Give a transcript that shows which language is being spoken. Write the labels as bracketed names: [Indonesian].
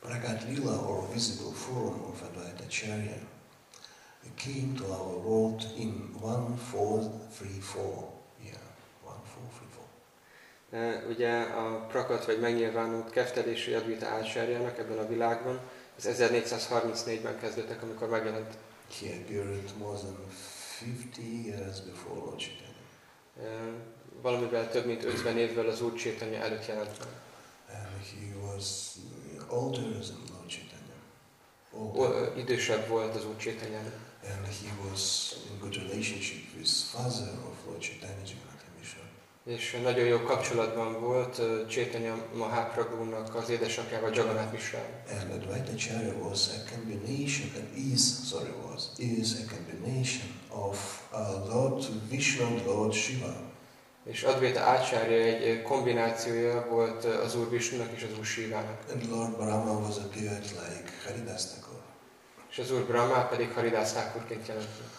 [English] Prakat Lila or visible form of Advaita Acharya came to our world in 1434. Yeah, 1434. [Hungarian] Ugye a prakat vagy megnyilvánult keftelési Advaita Acharyának ebben a világban, ez 1434-ben kezdődtek, amikor megjelent. [English] He appeared more than 50 years before Lord Chaitanya. [Hungarian] Valamivel több mint 50 évvel az Úr Chaitanya előtt jelent. [English] He was older than Lord Chaitanya. [Hungarian] Idősebb volt az Úr Chaitanya. [English] And he was in good relationship with father of Lord Chaitanya, Jagannatha Mishra. [Hungarian] És nagyon jó kapcsolatban volt Chaitanya Mahaprabhu-nak az édesapjával, Jagannath Mishra-val. [English] And Advaita Acharya was a combination, is a combination of Lord Vishnu and Lord Shiva. [Hungarian] És Advaita Acharya egy kombinációja volt az Úr Vishnu-nak és az Úr Shiva-nak. [English] And Lord Brahma was a deity like Haridas Thakur. [Hungarian] És az Úr Brahma pedig Haridas Thakurként jelent.